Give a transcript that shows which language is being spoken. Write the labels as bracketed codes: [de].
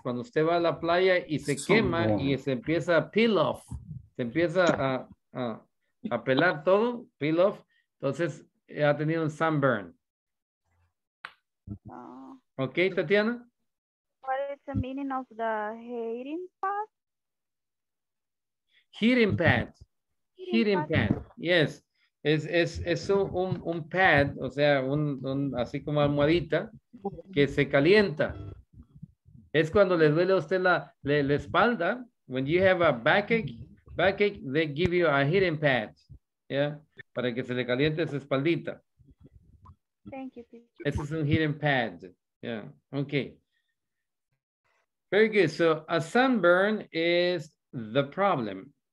[es] Cuando usted va a la playa y se quema y se empieza a peel off, se empieza a pelar todo, peel off, entonces ha tenido un sunburn. [en] Ok, Tatiana. What is the meaning of the heating pad? Heating pad. Heating pad. Yes. [es] Es un pad, o sea, un así como almohadita, que se calienta. Es cuando le duele a usted la espalda. [en] When you have a backache, they give you a heating pad. [es] Yeah. Para que se le caliente su espaldita. [en] Thank you, teacher. [es] Ese es un [en] heating pad. Yeah. Okay. Very good. So a sunburn is the problem.